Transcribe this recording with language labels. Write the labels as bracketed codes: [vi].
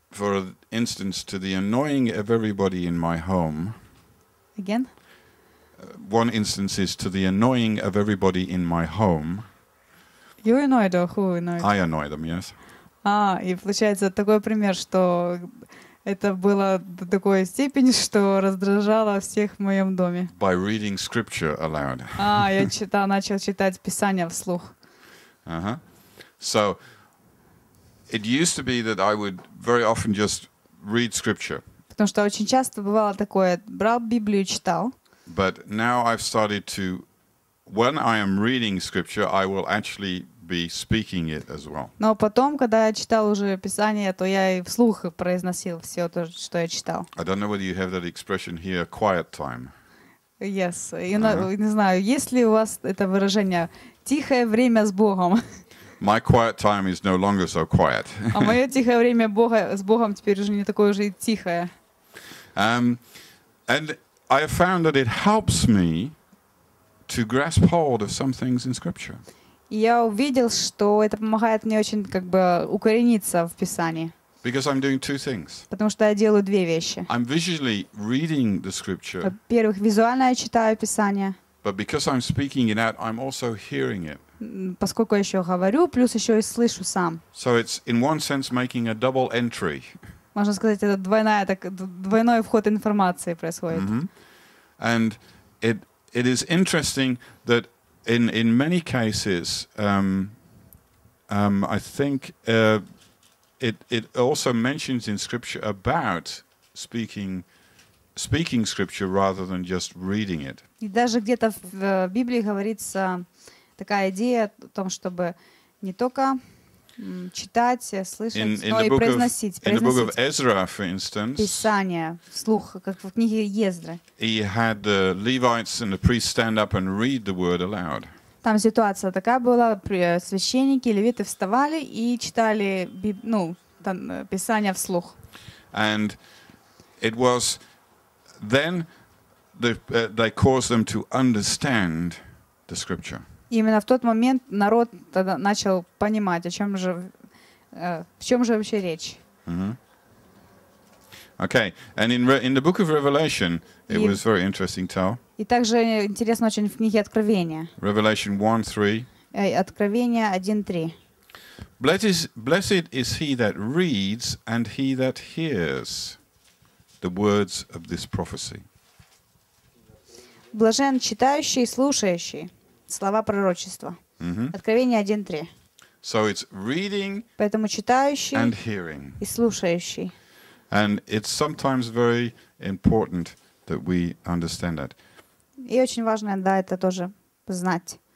[en] For instance, to the annoying of everybody in my home. Again? One instance is to the annoying of everybody in my home. You annoyed or who annoyed? I annoy them, yes. [ru] А, и получается такой пример, что это было до такой степени, что раздражало всех в моем доме. [en] By reading scripture aloud. [ru] А, я начал читать Писание вслух. Uh-huh. [en] So, it used to be that I would very often just read scripture. [ru] Потому что очень часто бывало такое, брал Библию, читал. [en] But now I've started to, when I am reading scripture, I will actually be speaking it as well. [ru] Но потом, когда я читал уже Писание, то я и вслух произносил все то, что я читал. [en] I don't know whether you have that expression here, quiet time. Yes, you know, uh-huh. [ru] Не знаю, есть ли у вас это выражение «тихое время с Богом». [en] My quiet time is no longer so quiet. [ru] А мое тихое время Бога, с Богом теперь уже не такое уже и тихое. [en] And I have found that it helps me to grasp hold of some things in Scripture. [ru] Я увидел, что это помогает мне очень как бы укорениться в Писании. [en] Because I'm doing two things. [ru] Потому что я делаю две вещи. [en] I'm visually reading the Scripture. [ru] Во-первых, визуально я читаю Писание. [en] But because I'm speaking it out, I'm also hearing it. [ru] Поскольку я еще говорю, плюс еще и слышу сам. [en] So it's in one sense making a double entry. [ru] Можно сказать, это двойная, так, двойной вход информации происходит. Mm-hmm. [en] And it is interesting that in many cases, I think it also mentions in Scripture about speaking Scripture rather than just reading it. [ru] И даже где-то в Библии говорится такая идея о том, чтобы не только читать, слышать, произносить. [en] In the book of Ezra, for instance, [ru] Писание, вслух, как в книге Ездры. [en] He had the Levites and the priests stand up and read the word aloud. [ru] Там ситуация такая была: священники, левиты вставали и читали, ну, там, Писание вслух. [en] And it was then they caused them to understand the Scripture. [ru] Именно в тот момент народ тогда начал понимать, в чем же вообще речь. Mm-hmm. [en] Okay, and in the book of Revelation, it was very interesting to tell. [ru] И также интересно очень в книге Откровения. [en] Revelation 1:3. [ru] Откровение 1:3. [en] Blessed is he that reads and he that hears the words of this prophecy. [ru] Блажен читающий и слушающий. Слова пророчества. Mm-hmm. Откровение 1:3. [en] So it's reading, [ru] поэтому читающий [en] and hearing. [ru] И слушающий. [en] And it's sometimes very important that we understand that. [ru] И очень важно, да, это тоже знать.